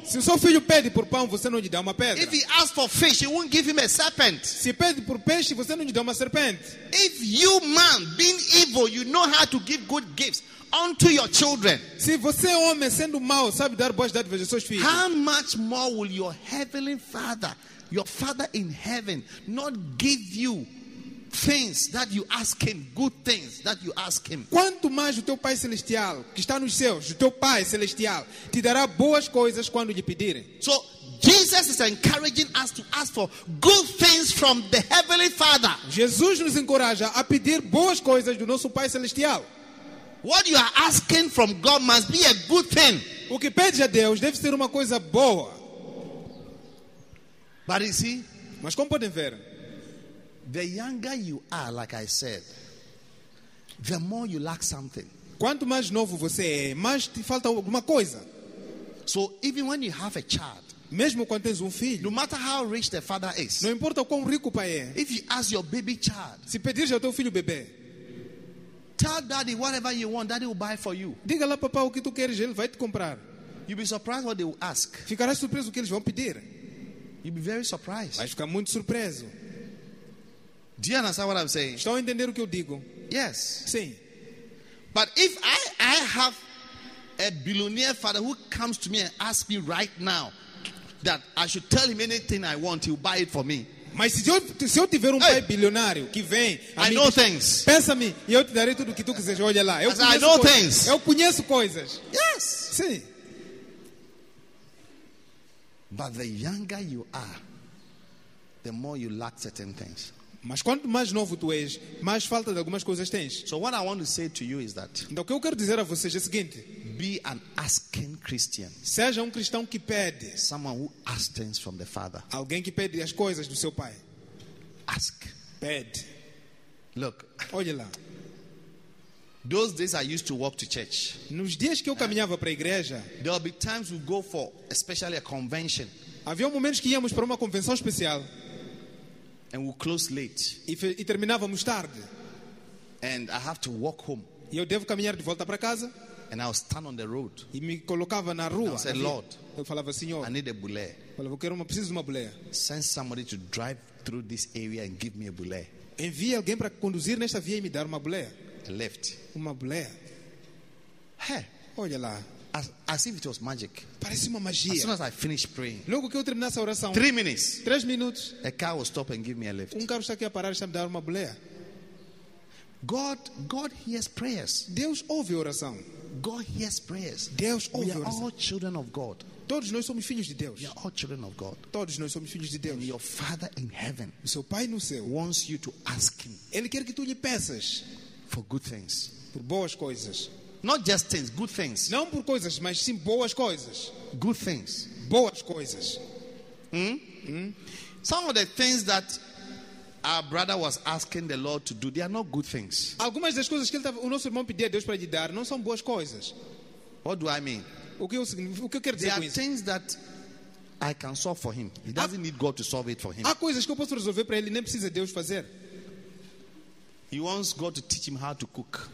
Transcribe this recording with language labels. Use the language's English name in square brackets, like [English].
[Portuguese] Se o seu filho pede por pão, você não lhe dá uma pedra. [English] If he asks for fish, you won't give him a serpent. [Portuguese] Se pede por peixe, você não lhe dá uma serpente. [English] If you man being evil, you know how to give good gifts unto your children. [Portuguese] Se você homem sendo mau sabe dar boas dádivas aos seus filhos. [English] How much more will your heavenly Father, your Father in heaven, not give you things that you ask him, good things that you ask him? [Portuguese] Quanto mais o teu Pai celestial, que está nos céus, o teu Pai celestial te dará boas coisas quando lhe pedirem. [English] So Jesus is encouraging us to ask for good things from the heavenly Father. [Portuguese] Jesus nos encoraja a pedir boas coisas do nosso Pai celestial. [English] What you are asking from God must be a good thing. [Portuguese] O que pedes a Deus deve ser uma coisa boa. [English] But you see, [Portuguese] mas como podem ver, [English] the younger you are, like I said, the more you lack something. [Portuguese] Quanto mais novo você é, mais te falta alguma coisa. [English] So even when you have a child, [Portuguese] mesmo quando tens filho, [English] no matter how rich the father is, [Portuguese] não importa quão rico o pai é, [English] if you ask your baby child, [Portuguese] se pedires ao teu filho bebê, [English] tell daddy whatever you want, daddy will buy for you. [Portuguese] Diga lá papá o que tu queres, ele vai te comprar. [English] You'll be surprised what they will ask. [Portuguese] Ficarás surpreso o que eles vão pedir. [English] You'll be very surprised. [Portuguese] Vai ficar muito surpreso. [English] Do you understand what I'm saying? [Portuguese] Estão a entender o que eu digo? [English] Yes. [Portuguese] Sim. [English] But if I have a billionaire father who comes to me and asks me right now that I should tell him anything I want, he'll buy it for me. [Portuguese] Mas se eu tiver pai bilionário que vem, pensa-me e eu te darei tudo o que tu quiseres. Olha lá, eu conheço, [English] I know things. [Portuguese] Eu conheço coisas. [English] Yes. [Portuguese] Sim. [English] But the younger you are, the more you lack certain things. [Portuguese] Mas quanto mais novo tu és, mais falta de algumas coisas tens. [English] So what I want to say to you is that, [Portuguese] então o que eu quero dizer a vocês é o seguinte: [English] be an asking Christian. [Portuguese] Seja cristão que pede. [English] Someone who asks things from the Father. [Portuguese] Alguém que pede as coisas do seu pai. [English] Ask. [Portuguese] Pede. [English] Look. [Portuguese] Olha lá. [English] Those days I used to walk to church. [Portuguese] Nos dias que eu caminhava para a igreja, [English] there will be times we go for, especially a convention. [Portuguese] Havia momentos que íamos para uma convenção especial. [English] And we close late. [Portuguese] E terminávamos tarde. [English] And I have to walk home. [Portuguese] E eu devo caminhar de volta para casa. [English] And I would stand on the road. [Portuguese] E me colocava na rua. [English] I said, Lord, [Portuguese] eu falava, Senhor, [English] I need a bule. [Portuguese] Falava, eu quero uma, preciso de uma bule. [English] Send somebody to drive through this area and give me a bule. [Portuguese] Envie alguém para conduzir nesta via e me dar uma bule. [English] I left. [Portuguese] Uma bule. [English] Hey, [Portuguese] olha lá. [English] As if it was magic. [Portuguese] Parece uma magia. [English] As soon as I finished praying. [Portuguese] Logo que eu terminasse a oração. [English] 3 minutes. [Portuguese] 3 minutos. [English] A car will stop and give me a lift. [Portuguese] Carro está aqui a parar e está me dar uma bule. [English] God hears prayers. [Portuguese] Deus ouve oração. [English] God hears prayers. [Portuguese] Deus ouve oração. [English] We are all children of God. [Portuguese] Todos nós somos filhos de Deus. [English] We are all children of God. [Portuguese] Todos nós somos filhos de Deus. [English] And your Father in heaven, [Portuguese] o seu Pai no céu, [English] wants you to ask him. [Portuguese] Ele quer que tu lhe peças [English] for good things. [Portuguese] Por boas coisas. [English] Not just things, good things. [Portuguese] Não por coisas, mas sim boas coisas. [English] Good things. [Portuguese] Boas coisas. [English] Some of the things that our brother was asking the Lord to do, they are not good things. [Portuguese] Algumas das coisas que o nosso irmão pedia a Deus para lhe dar não são boas coisas. [English] What do I mean? [Portuguese] O que eu quero dizer com isso? [English] There are things that I can solve for him. He doesn't need God to solve it for him. [Portuguese] Há coisas que eu posso resolver para ele, nem precisa Deus fazer. [English] He wants God to teach him how to cook.